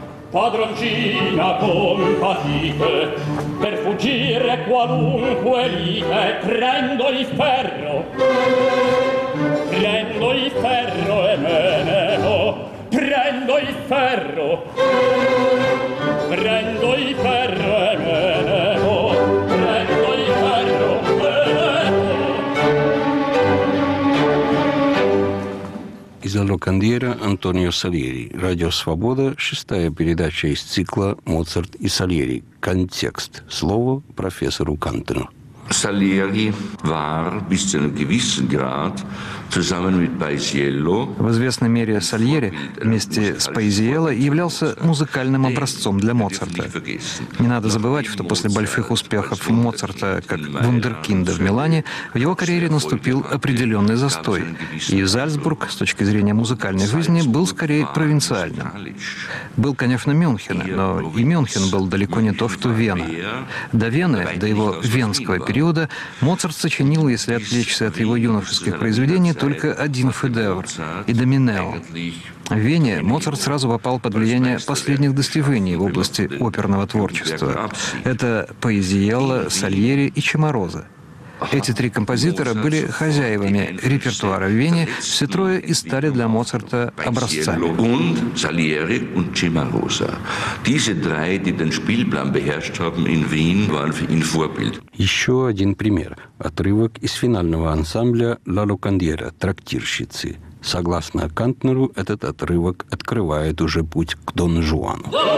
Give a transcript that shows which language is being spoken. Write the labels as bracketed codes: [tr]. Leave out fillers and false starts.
[it] Padroncina compatite, per fuggire qualunque lite, prendo il ferro e me ne do, prendo. prendo il ferro, prendo il ferro e me ne vo, prendo il ferro e me ne vo. [ru] Из Локандьера Антонио Сальери, Радио Свобода, шестая передача из цикла «Моцарт и Сальери. Контекст». Слово профессору Кантену. [de] Salieri war bis zu einem gewissen Grad zusammen mit Paisiello. [ru] В известной мере Сальери вместе с Пайзиелло являлся музыкальным образцом для Моцарта. Не надо забывать, что после больших успехов Моцарта как вундеркинда в Милане в его карьере наступил определенный застой, и Зальцбург с точки зрения музыкальной жизни был скорее провинциальным. Был, конечно, Мюнхен, но и Мюнхен был далеко не то, что Вена. До Вены, до его венского периода, Моцарт сочинил, если отвлечься от его юношеских произведений, только один шедевр – «Идоминео». В Вене Моцарт сразу попал под влияние последних достижений в области оперного творчества. Это Паэзиелло, Сальери и Чимароза. Эти три композитора были хозяевами репертуара в Вене, все трое и стали для Моцарта образцами. [de] Und Salieri und Cimarosa. Diese drei, die den Spielplan beherrscht haben in Wien, waren für ihn Vorbild. [ru] Еще один пример. Отрывок из финального ансамбля «Ла Локандьера» «Трактирщицы». Согласно Кантнеру, этот отрывок открывает уже путь к Дон Жуану.